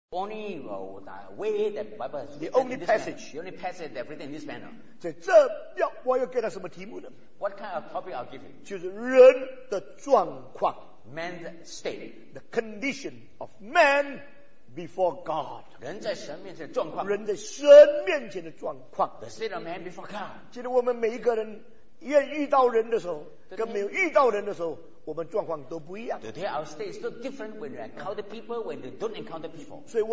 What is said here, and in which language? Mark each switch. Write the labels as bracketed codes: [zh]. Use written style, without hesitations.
[en] only the way that Bible is the only passage. The only passage that written in this manner. [zh] 这要我要给他什么题目呢? [en] What kind of topic I'll give [zh] him? 就是人的状况. [en] Man's state. The condition of man before God. [zh] 人在神面前的状况. 人在神面前的状况. [en] The state of man before God. [zh] 其实我们每一个人 遇到人的时候跟没有遇到人的时候我们状况都不一样 [en] Today our state is so different when you encounter people when you don't encounter people